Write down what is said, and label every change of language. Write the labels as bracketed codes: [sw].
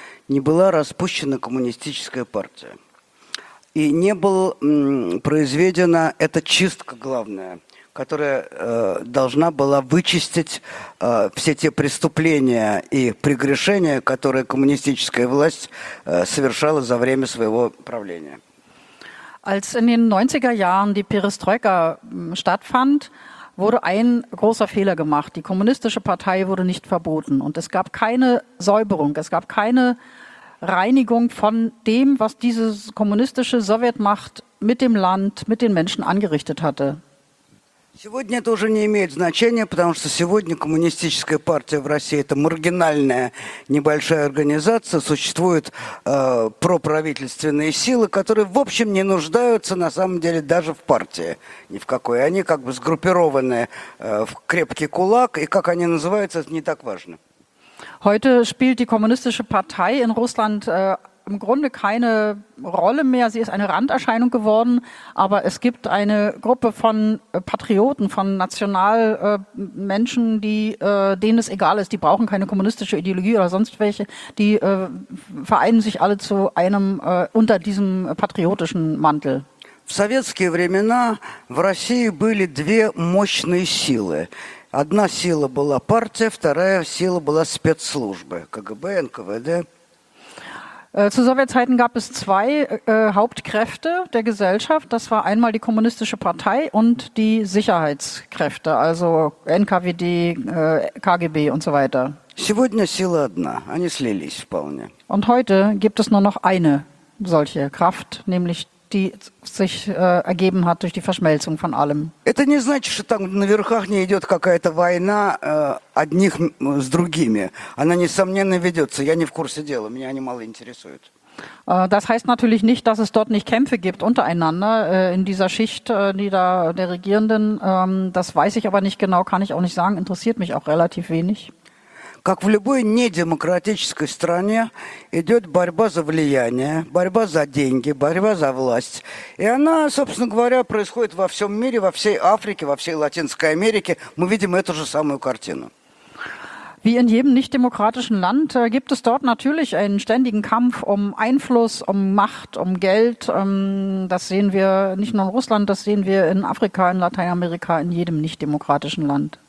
[ru] Не была распущена коммунистическая партия. И не была произведена эта чистка главная, которая должна была вычистить все те преступления и прегрешения, которые коммунистическая власть совершала за время своего правления. [de] Als in den 90er Jahren die Perestroika stattfand, wurde ein großer Fehler gemacht. Die kommunistische Partei wurde nicht verboten und es gab keine Säuberung, es gab keine Reinigung von dem, was diese kommunistische Sowjetmacht mit dem Land, mit den Menschen angerichtet hatte. [ru] Сегодня это уже не имеет значения, потому что сегодня коммунистическая партия в России – это маргинальная небольшая организация, существуют проправительственные силы, которые, в общем, не нуждаются на самом деле даже в партии ни в какой. Они как бы сгруппированы в крепкий кулак, и как они называются, это не так важно. [de] Heute spielt die kommunistische Partei in Russland im Grunde keine Rolle mehr. Sie ist eine Randerscheinung geworden, aber es gibt eine Gruppe von Patrioten, von Nationalmenschen, denen es egal ist. Die brauchen keine kommunistische Ideologie oder sonst welche. Die vereinen sich alle zu einem unter diesem patriotischen Mantel. [ru] В советские времена в России были две мощные силы. Одна сила была партия, вторая сила была спецслужбы, КГБ, НКВД. [de] Zu Sowjetzeiten gab es zwei Hauptkräfte der Gesellschaft. Das war einmal die kommunistische Partei und die Sicherheitskräfte, also НКВД, КГБ und so weiter. [ru] Сегодня сила одна, они слились вполне. [de] Und heute gibt es nur noch eine solche Kraft, nämlich die sich ergeben hat durch die Verschmelzung von allem. [ru] Это не значит, что там наверхах не идет какая-то война одних с другими. Она несомненно ведется. Я не в курсе дела. Меня они мало интересуют. [de] Das heißt natürlich nicht, dass es dort nicht Kämpfe gibt untereinander in dieser Schicht, die da der Regierenden. Das weiß ich aber nicht genau. Kann ich auch nicht sagen. Interessiert mich auch relativ wenig. [ru] Как в любой недемократической стране идет борьба за влияние, борьба за деньги, борьба за власть. И она, собственно говоря, происходит во всем мире, во всей Африке, во всей Латинской Америке. Мы видим эту же самую картину. [de] Wie in jedem nicht-demokratischen Land gibt es dort natürlich einen ständigen Kampf um Einfluss, um Macht, um Geld. Das sehen wir nicht nur in Russland, das sehen wir in Afrika, in Lateinamerika, in jedem nicht-demokratischen Land.